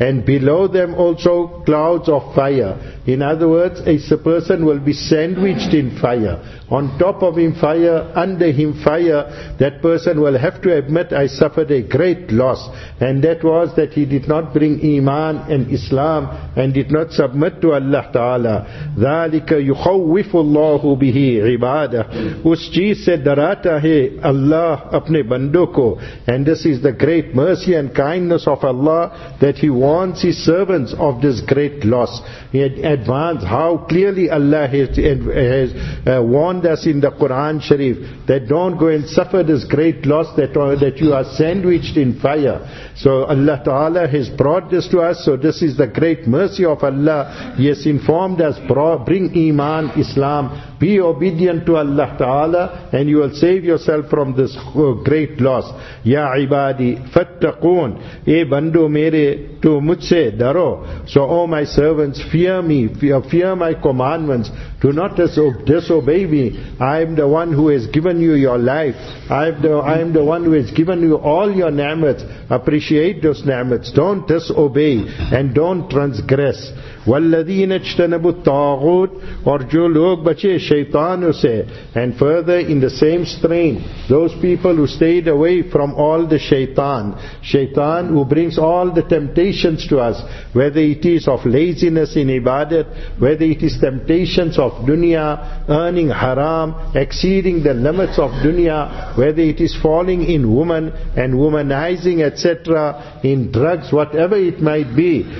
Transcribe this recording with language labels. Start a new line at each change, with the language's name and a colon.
English: And below them also clouds of fire. In other words, a person will be sandwiched in fire. On top of him fire, under him fire. That person will have to admit, I suffered a great loss. And that was that he did not bring iman and Islam and did not submit to Allah Ta'ala.
Arabic: ذَلِكَ يُخَوِّفُ اللَّهُ بِهِ عِبَادَهُ.
Urdu: اس چیز سے ڈراتا ہے اللہ اپنے بندوں کو.
English: And this is the great mercy and kindness of Allah, that He warns His servants of this great loss. Advance how clearly Allah has warned us in the Quran Sharif that don't go and suffer this great loss, that you are sandwiched in fire. So Allah Ta'ala has brought this to us. So this is the great mercy of Allah. He has informed us, bring iman, Islam, be obedient to Allah Ta'ala, and you will save yourself from this great loss.
Arabic: Ya ibadi fattaqoon.
Urdu: Ey bando mere, to mujhse daro.
English: So O my servants, fear me, fear my commandments. Do not disobey me. I am the one who has given you your life. I am the one who has given you all your ni'mats. Appreciate those ni'mats. Don't disobey and don't transgress.
Arabic: وَالَّذِينَ اجْتَنَبُوا الطَّاغُوتِ.
Urdu: اور جو لوگ بچے شیطانوں سے.
English: And further in the same strain, those people who stayed away from all the shaitan who brings all the temptations to us, whether it is of laziness in ibadat, whether it is temptations of of dunya, earning haram, exceeding the limits of dunya, whether it is falling in woman and womanizing, etc., in drugs, whatever it might be.